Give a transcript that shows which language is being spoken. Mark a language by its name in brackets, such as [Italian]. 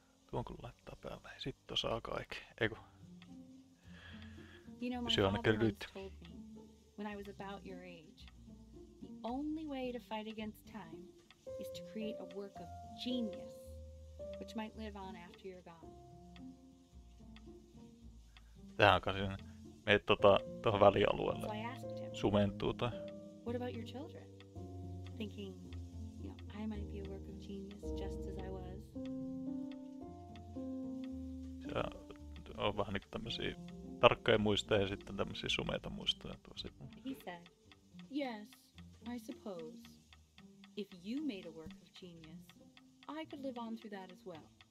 [Finnish] Tuon kun laittaa päälle, sitten saa kaikki. Eiku. [English] You know, my father once told me, when I was about your age, the only way to fight against time is to create a work of genius, which might live on after you're gone. [Finnish] Tähän kanssa me tuohon välialueelle sumentuu tai. [English] What about your children? Thinking, you know, I might be a work of genius just as I was. [Finnish] Se on vähän niin kuin tämmösiä tarkkoja muistoja ja sitten tämmösiä sumeita muistoja tuossa. [English] He said, yes, I suppose, if you made a work of genius, I could live on through that as well.